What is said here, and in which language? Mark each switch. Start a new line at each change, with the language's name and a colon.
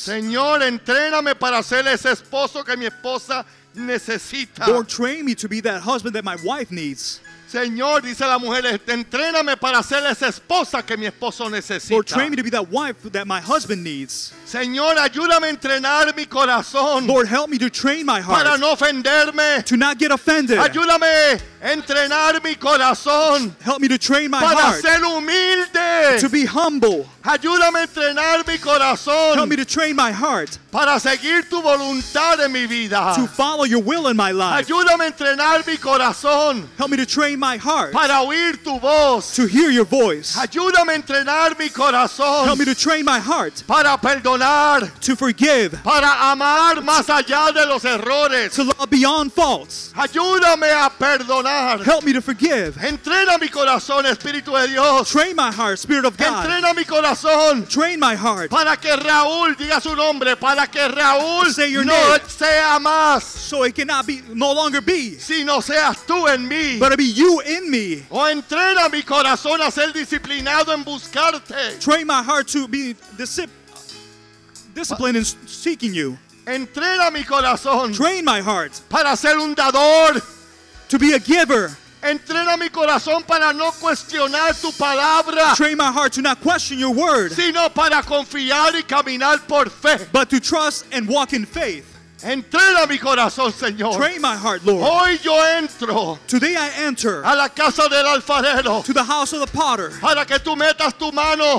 Spanish: Señor, entréname para ser ese esposo que mi esposa necesita.
English: Lord, train me to be that husband that my wife needs.
Spanish: Señor, dice la mujer, entréname para ser esa esposa que mi esposo necesita.
English: Lord, train me to be that wife that my husband needs.
Spanish: Señor, ayúdame a entrenar mi corazón.
English: Lord, help me to train my heart.
Spanish: Para no ofenderme.
English: To not get offended.
Spanish: Ayúdame a entrenar mi corazón.
English: Help me to train my
Spanish: para
English: heart.
Spanish: Para ser humilde.
English: To be humble.
Spanish: Ayúdame a entrenar mi corazón.
English: Help me to train my heart.
Spanish: Para seguir tu voluntad en mi vida.
English: To follow your will in my life.
Spanish: Ayúdame a entrenar mi corazón.
English: Help me to train my heart.
Spanish: Para oír tu voz.
English: To hear your voice.
Spanish: Ayúdame a entrenar mi corazón.
English: Help me to train my heart.
Spanish: Para perdonar.
English: To forgive.
Spanish: Para amar más allá de los errores.
English: To love beyond faults.
Spanish: Ayúdame a perdonar.
English: Help me to forgive.
Spanish: Entrena mi corazón, Espíritu de Dios.
English: Train my heart, Spirit of God.
Spanish: Entrena mi corazón.
English: Train my heart.
Spanish: Para que Raúl diga su nombre. Para que Raúl no sea más.
English: So it cannot be, no longer be.
Spanish: Sino seas tú en mí.
English: But it be you in me.
Spanish: O entrena mi corazón a ser disciplinado en buscarte.
English: Train my heart to be disciplined in seeking you.
Spanish: Entrena mi corazón.
English: Train my heart.
Spanish: Para ser un dador.
English: To be a giver.
Spanish: Entrena mi corazón para no cuestionar tu palabra.
English: Train my heart to not question your word.
Spanish: Sino para confiar y caminar por fe.
English: But to trust and walk in faith.
Spanish: Entrena mi corazón, Señor.
English: Train my heart, Lord.
Spanish: Hoy yo entro.
English: Today I enter.
Spanish: A la casa del alfarero.
English: To the house of the potter.
Spanish: Para que tú metas tu mano.